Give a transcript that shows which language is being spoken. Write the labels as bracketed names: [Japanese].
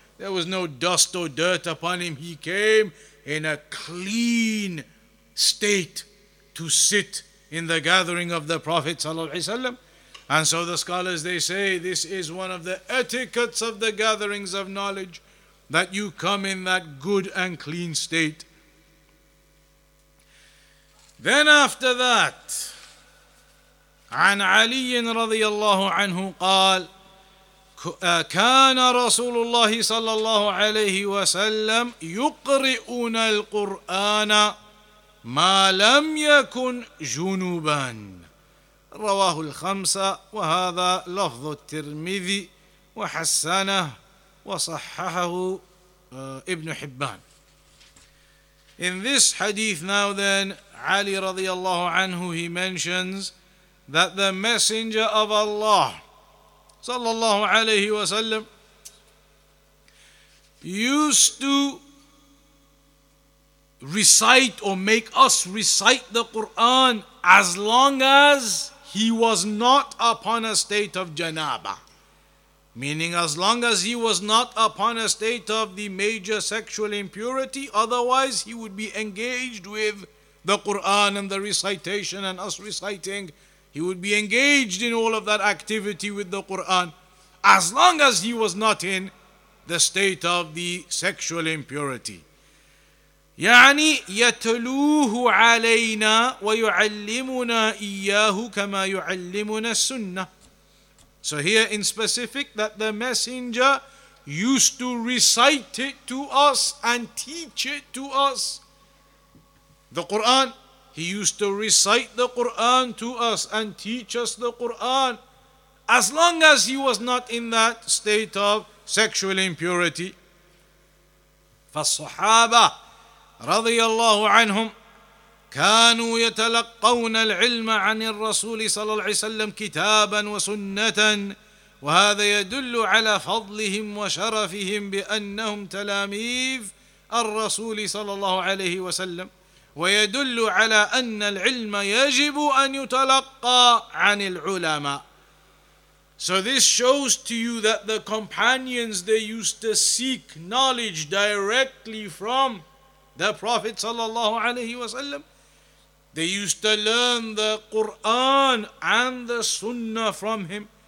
[English] There was no dust or dirt upon him. He came in a clean state to sit in the gathering of the Prophet sallallahu alaihi wasallam. And so the scholars, they say, this is one of the etiquettes of the gatherings of knowledge, that you come in that good and clean state. Then after that, [Arabic] عن علي رضي الله عنه قال كان رسول الله صلى الله عليه وسلم يقرئنا القرآن ما لم يكن جنوبا رواه الخمسة وهذا لفظ الترمذي وحسنه وصححه ابن حبان. [English] In this hadith now then, Ali [Arabic] رضي الله عنه, [English] he mentions that the Messenger of Allah sallallahu alayhi wa sallam used to recite or make us recite the Quran as long as he was not upon a state of janaba, meaning as long as he was not upon a state of the major sexual impurity, otherwise he would be engaged with the Quran and the recitation and us reciting. He would be engaged in all of that activity with the Qur'an as long as he was not in the state of the sexual impurity. [Arabic] يعني يتلوه علينا ويعلمنا إياه كما يعلمنا السنة. [English] So here in specific, that the Messenger used to recite it to us and teach it to us. The Qur'an. He used to recite the Qur'an to us and teach us the Qur'an as long as he was not in that state of sexual impurity. [Arabic] فالصحابة رضي الله عنهم كانوا يتلقون العلم عن الرسول صلى الله عليه وسلم كتابا وسنة وهذا يدل على فضلهم وشرفهم بأنهم تلاميذ الرسول صلى الله عليه وسلم ويدل على أن العلم يجب أن يتلقى عن العلماء. [English] So this shows to you that the companions, they used to seek knowledge directly from the Prophet [Arabic] صلى الله عليه وسلم. [English] They used to learn the Quran and the Sunnah from him.